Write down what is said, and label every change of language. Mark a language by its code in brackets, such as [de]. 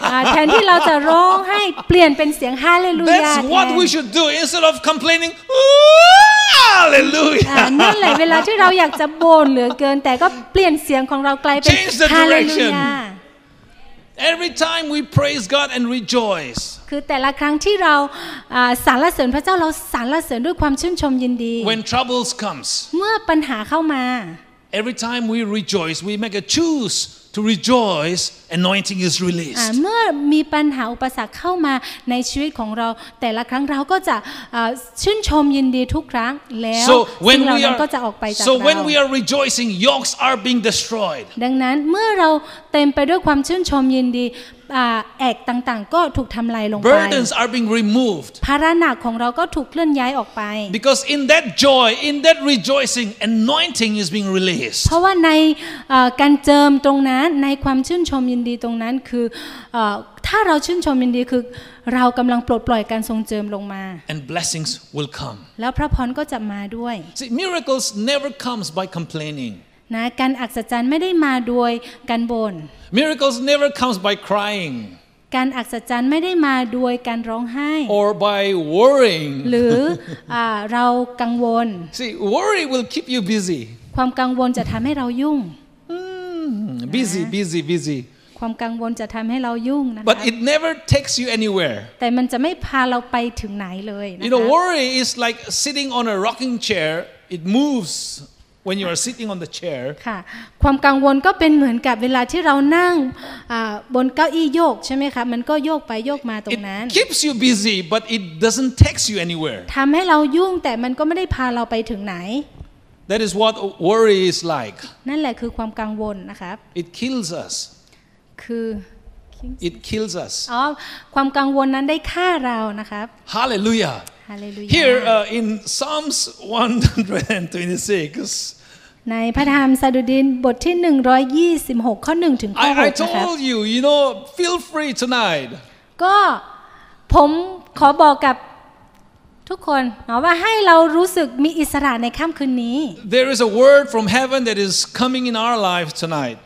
[th] แทนที่เราจะร้องให้เปลี่ยนเป็นเสียง Hallelujah [en] That's what we should do instead of complaining Hallelujah [th] นั่นแหละเวลาที่เราอยากจะโบนเหลือเกินแต่ก็เปลี่ยนเสียงของเรากลายเป็น Hallelujah [en] Every time we praise God and rejoice [th] คือแต่ละครั้งที่เราสรรเสริญพระเจ้าเราสรรเสริญด้วยความชื่นชมยินดี [en] When troubles comes [th] เมื่อปัญหาเข้ามา [en] Every time we rejoice we make a choose to rejoice anointing is released [th] เมื่อมีปัญหาอุปสรรคเข้ามาในชีวิตของเราแต่ละครั้งเราก็จะชื่นชมยินดีทุกครั้งแล้วสิ่งเหล่านั้นก็จะออกไปจากเรา [en] So when we are rejoicing yokes are being destroyed [th] ดังนั้นเมื่อเราเต็มไปด้วยความชื่นชมยินดี แอกต่างๆก็ถูกทำลายลงไป [en] Burdens are being removed [th] ภาระหนักของเราก็ถูกเคลื่อนย้ายออกไป [en] Because in that joy in that rejoicing anointing is being released [th] เพราะว่าในการเจิมตรงนั้นในความชื่นชมยินดีตรงนั้นคือถ้าเราชื่นชมยินดีคือเรากำลังปลดปล่อยการทรงเจิมลงมา [en] And blessings will come [th] แล้วพระพรก็จะมาด้วย [en] See miracles never comes by complaining [th] นะการอัศจรรย์ไม่ได้มาโดยการบ่น [en] Miracles never comes by crying [th] การอัศจรรย์ไม่ได้มาโดยการร้องไห้ [en] or by worrying [th] หรือเรากังวล [en] See worry will keep you busy [th] ความกังวลจะทำให้เรายุ่ง [en] busy busy busy [th] ความกังวลจะทำให้เรายุ่งนะคะ [en] but it never takes you anywhere [th] แต่มันจะไม่พาเราไปถึงไหนเลยนะคะ [en] you know worry is like sitting on a rocking chair it movesWhen you are sitting on the chair, [th] ค่ะความกังวลก็เป็นเหมือนกับเวลาที่เรานั่งบนเก้าอี้โยกใช่ไหมคะมันก็โยกไปโยกมาตรงนั้น [en] It keeps you busy, but it doesn't takes you anywhere. [th] ทำให้เรายุ่งแต่มันก็ไม่ได้พาเราไปถึงไหน [en] That is what worry is like. [th] นั่นแหละคือความกังวลนะครับ [en] It kills us. [th] คือ [en] It kills us. [th] อ๋อความกังวลนั้นได้ฆ่าเรานะครับ [en] Hallelujah. Hallelujah. Here in Psalms 126. [th] ในพระธรรมสดุดีบทที่126ข้อ1ถึงข้อ6 [en] I told you, you know, feel free tonight. [th] ก็ผมขอบอกกับทุกคนเนาะว่าให้เรารู้สึกมีอิสระในค่ำคืนนี้ [en] There is a word from heaven that is coming in our life tonight.